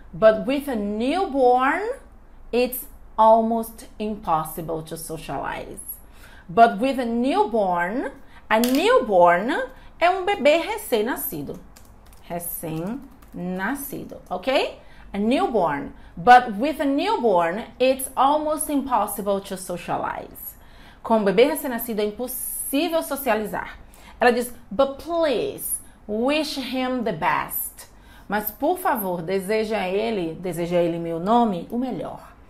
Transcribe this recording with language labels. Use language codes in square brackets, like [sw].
[en] But with a newborn, it's almost impossible to socialize. But with a newborn, a newborn [pt] é um bebê recém-nascido. Recém-nascido, ok? [en] A newborn. But with a newborn, it's almost impossible to socialize. [pt] Com um bebê recém-nascido, é impossível socializar. Ela diz, [en] but please, wish him the best. [pt] Mas, por favor, deseja a ele meu nome, o melhor.